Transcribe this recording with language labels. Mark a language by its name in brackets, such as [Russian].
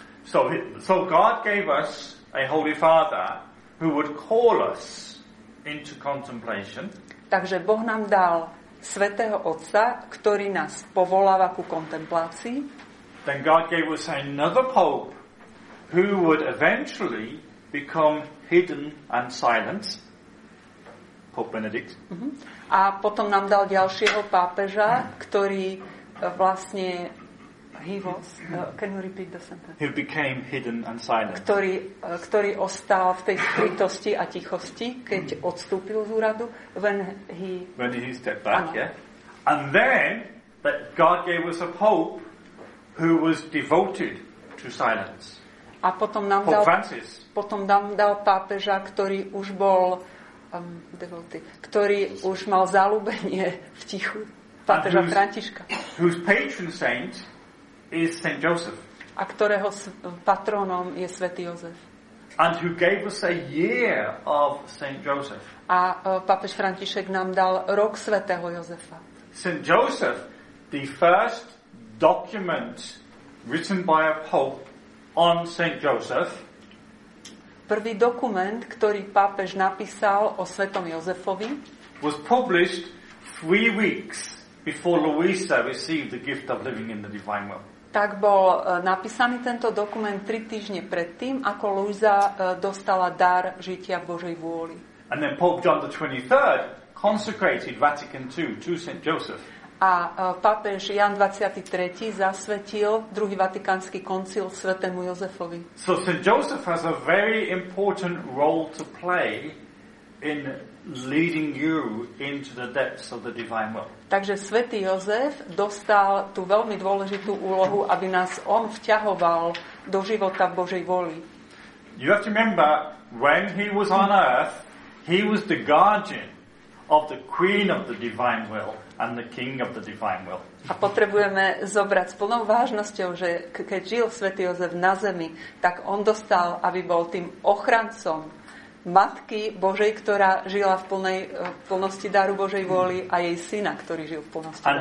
[English] So God gave us a Holy Father who would call us into contemplation. [Slovak] Takže Boh nám dal Svätého Otca, ktorý nás povoláva ku kontemplácii. [English] Then God gave us another pope who would eventually become hidden and silent. Pope Benedict. Mm-hmm. [Slovak] A potom nám dal ďalšieho pápeža, ktorý vlastne [English] can you repeat the sentence? Who became hidden and silent. [Slovak] Ktorý ostal v tej skrytosti a tichosti, keď odstúpil z úradu, [English] when he stepped back, [Slovak] ano. [English] Yeah? And then that God gave us a pope who was devoted to silence. [Slovak] A potom nám dal [English] Pope Francis. [Slovak] Potom nám dal pápeža, ktorý už bol devoted, ktorý už mal zalúbenie v tichu. Pápeža Františka. [English] Whose patron saint is Saint Joseph. [Slovak] A ktorého patronom je Svätý Jozef. [English] And who gave us a year of Saint Joseph. [Slovak] A pápež František nám dal rok Svätého Jozefa. [English] Saint Joseph, the first document written by a pope on Saint Joseph. [Slovak] Prvý dokument, ktorý pápež napísal o Svätom Jozefovi, [English] was published 3 weeks before Louisa received the gift of living in the divine will. [Slovak] Tak bol napísaný tento dokument 3 týždne predtým, ako Louisa dostala dar žitia v Božej vôli. [English] And then Pope John XXIII consecrated Vatican II to Saint Joseph. [Slovak] A pápež Jan 23. zasvetil druhý vatikánsky koncil svätému Jozefovi. [English] So St. Joseph has a very important role to play in leading you into the depths of the divine will. [Slovak] Takže svätý Jozef dostal tú veľmi dôležitú úlohu, aby nás on vťahoval do života Božej voli. [English] You have to remember, when he was on earth, he was the guardian of the queen of the divine will and the king of the divine will. [Slovak] A potrebujeme zobrať s plnou vážnosťou, že keď žil svätý Jozef na zemi, tak on dostal, aby bol tým ochrancom matky Božej, ktorá žila v plnosti daru Božej vôly a jej syna, ktorý žil v plnosti